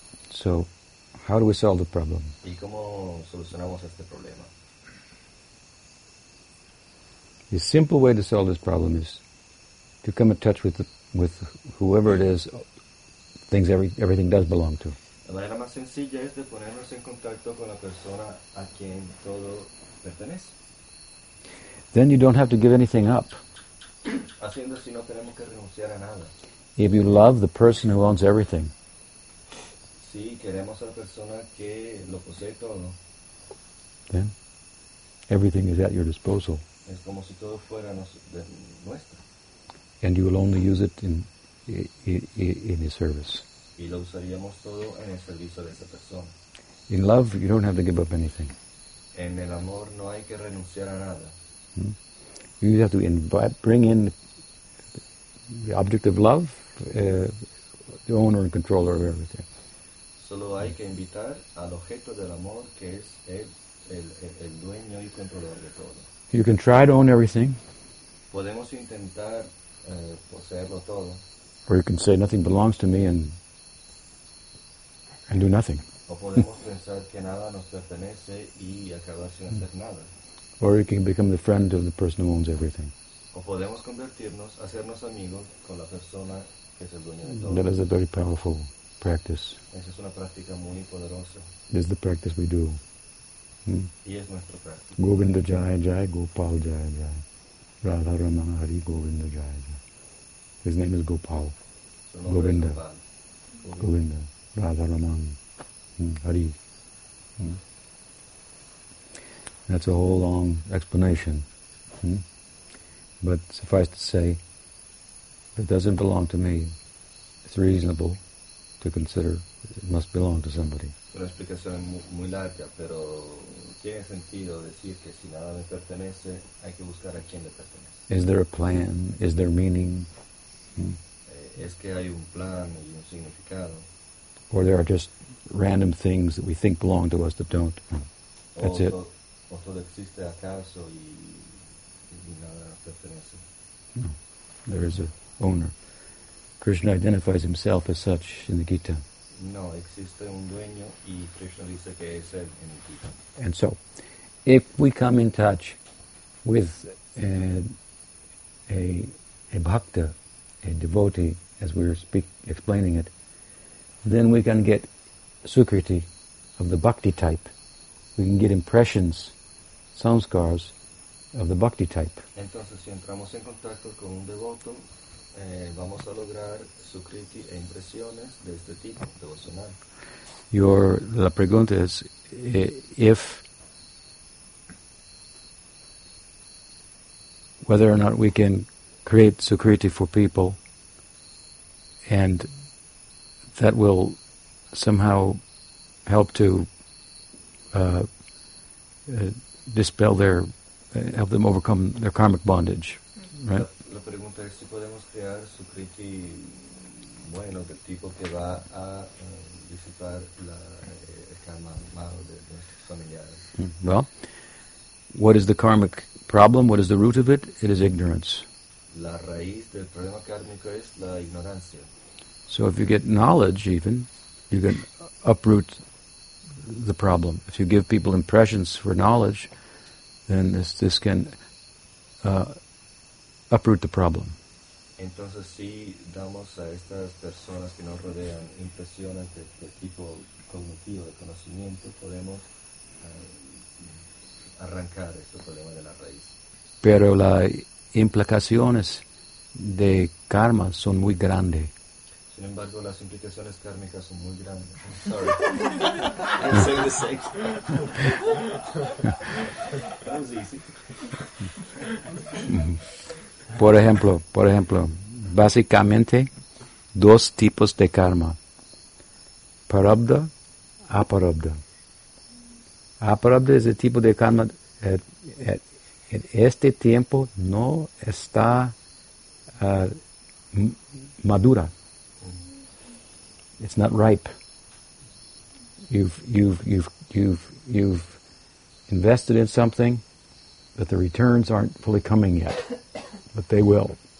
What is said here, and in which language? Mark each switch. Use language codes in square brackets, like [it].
[en] So, how do we solve the problem? [es] ¿Y cómo solucionamos este problema? [en] The simple way to solve this problem is to come in touch with whoever it is, things everything does belong to. [es] La manera más sencilla es de ponernos en contacto con la persona a quien todo pertenece. [en] Then you don't have to give anything up. [es] Haciendo así no tenemos que renunciar a nada. [en] If you love the person who owns everything. [es] Si queremos a la persona que lo posee todo. [en] Then everything is at your disposal. [es] Es como si todo fuera nuestro. [en] And you will only use it in his service. [es] Y lo usaríamos todo en el servicio de esa persona. [en] In love, you don't have to give up anything. [es] En el amor no hay que renunciar a nada. [en] You just have to bring in the object of love, the owner and controller of everything. [es] Solo hay que invitar al objeto del amor que es el dueño y controlador de todo. [en] You can try to own everything. [es] Podemos intentar poseerlo todo. [en] Or you can say nothing belongs to me and do nothing. [es] O podemos pensar que nada nos pertenece y acabar sin hacer nada. [en] Or you can become the friend of the person who owns everything. [es] O podemos convertirnos, hacernos amigos con la persona que es el dueño de todo. [en] That is a very powerful practice. [es] Esa es una práctica muy poderosa. [en] This is the practice we do. [es] Y es nuestra práctica. [sa] Govinda Jaya Jaya, Gopal Jaya Jaya. Radha Rama Hari Govinda Jaya Jaya. [en] His name is Gopal. [sa] Govinda. Govinda. Radha Rama Hari. [en] That's a whole long explanation. But suffice to say, it doesn't belong to me. It's reasonable to consider it must belong to somebody. [es] Una explicación muy larga, pero tiene sentido decir que si nada me pertenece, hay que buscar a quien le pertenece. [en] Is there a plan? Is there meaning? [es] Es que hay un plan y un significado. [en] Or there are just random things that we think belong to us that don't. That's it. [es] O todo existe acaso y nada pertenece. [en] No. There is an owner. Krishna identifies himself as such in the Gita. [es] No, existe un dueño y Krishna dice que es él en el Gita. [en] And so, if we come in touch with a bhakta, a devotee, as we were explaining it, then we can get sukriti of the bhakti type. We can get impressions, samskaras, of the bhakti type. [es] Entonces, si entramos en contacto con un devoto, vamos a lograr sukriti e impresiones de este tipo devocional. La pregunta es, [en] if whether or not we can create sukriti for people, and that will somehow help to dispel their, help them overcome their karmic bondage, right? [es] La pregunta es si podemos crear sukriti bueno, del tipo que va a disipar la karma malo de nuestros familiares. [en] Well, what is the karmic problem? What is the root of it? It is ignorance. [es] La raíz del problema kármico es la ignorancia. [en] So if you get knowledge, even, you can uproot the problem. If you give people impressions for knowledge, then this can uproot the problem. [es] Entonces, si damos a estas personas que nos rodean impresiones de tipo cognitivo, de conocimiento, podemos arrancar este problema de la raíz. Pero las implicaciones de karma son muy grandes. Sin embargo, las implicaciones kármicas son muy grandes. [en] I'm sorry. I'm saying the same. That was easy. [es] Por ejemplo, básicamente, dos tipos de karma. Parabdha, aparabdha. Aparabdha es el tipo de karma en este tiempo no está madura. [en] It's not ripe. You've invested in something, but the returns aren't fully coming yet. But they will.